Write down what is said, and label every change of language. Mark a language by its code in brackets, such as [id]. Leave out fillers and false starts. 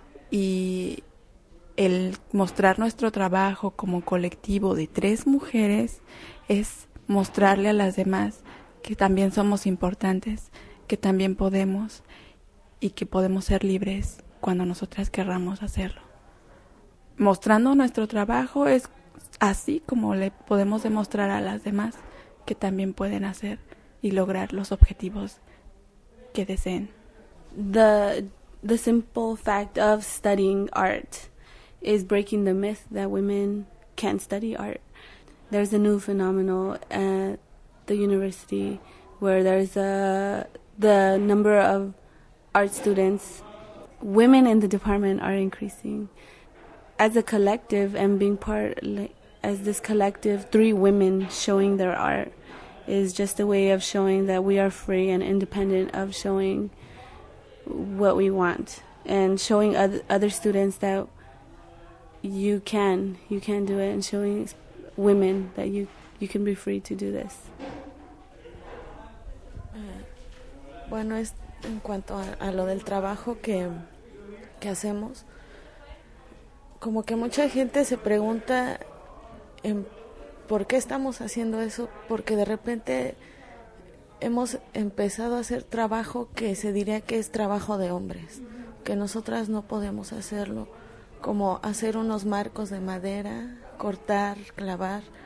[es] Y el mostrar nuestro trabajo como colectivo de 3 mujeres es mostrarle a las demás que también somos importantes, que también podemos y que podemos ser libres cuando nosotras querramos hacerlo. Mostrando nuestro trabajo es así como le podemos demostrar a las demás que también pueden hacer y lograr los objetivos que deseen. [en] The simple fact of studying art is breaking the myth that women can't study art. There's a new phenomenon at the university where there's the number of art students, women in the department are increasing. As a collective and being part, as this collective, 3 women showing their art is just a way of showing that we are free and independent of showing what we want and showing other students that you can do it, and showing women that you can be free to do this. [es] Bueno, es en cuanto a lo del trabajo que hacemos. Como que mucha gente se pregunta en por qué estamos haciendo eso, porque de repente hemos empezado a hacer trabajo que se diría que es trabajo de hombres, que nosotras no podemos hacerlo, como hacer unos marcos de madera, cortar, clavar,